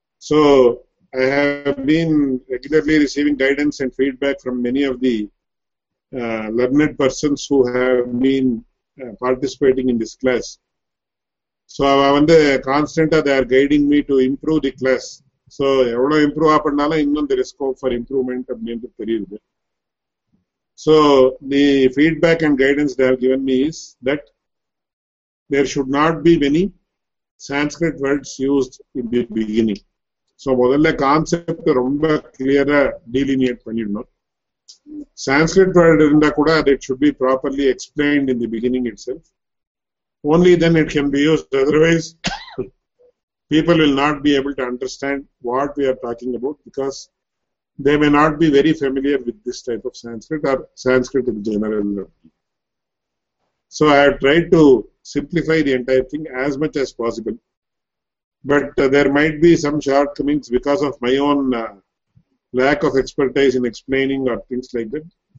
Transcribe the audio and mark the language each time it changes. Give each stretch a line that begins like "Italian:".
English: So, I have been regularly receiving guidance and feedback from many of the learned persons who have been participating in this class. So, I am constantly they are guiding me to improve the class.
Tamil: So எவ்வளவு இம்ப்ரூவா பண்ணாலும் இன்னும் தெரியும்
English: scope for improvement
Tamil: அப்படின்னு தெரியுது.
English: So the feedback and guidance they have given me is that there should not be many Sanskrit words used in the beginning.
Tamil: So முதல்ல concept ரொம்ப கிளியரா டீலினியேட் பண்ணிடணும்.
English: Sanskrit word
Tamil: இருந்தா கூட அது
English: It should be properly explained in the beginning itself. Only then it can be used. Otherwise people will not be able to understand what we are talking about because they may not be very familiar with this type of Sanskrit or Sanskrit in general. So I have tried to simplify the entire thing as much as possible, but there might be some shortcomings because of my own lack of expertise in explaining or things like that.